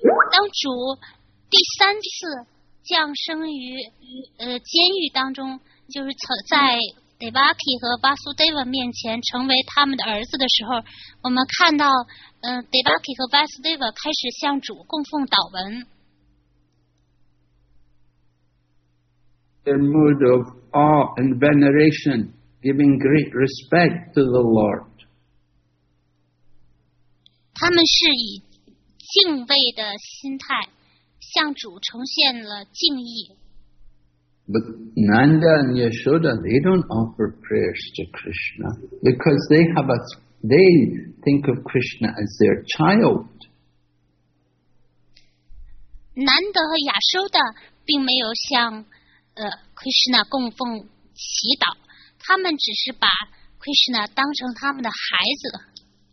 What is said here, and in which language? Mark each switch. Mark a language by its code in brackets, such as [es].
[zh] 当主第三次降生于监狱当中，就是在 Devaki 和 Vasudeva 面前成为他们的儿子的时候，我们看到Devaki 和 Vasudeva 开始向主供奉祷文。 [en] In mood of awe and veneration, giving great respect to the Lord. [zh] 他们是以敬畏的心态向主呈现了敬意。 [en] But Nanda and Yashoda, they don't offer prayers to Krishna because they think of Krishna as their child. [zh] Nanda 和 Yashoda 并没有向Krishna 供奉祈祷，他们只是把 Krishna 当成他们的孩子。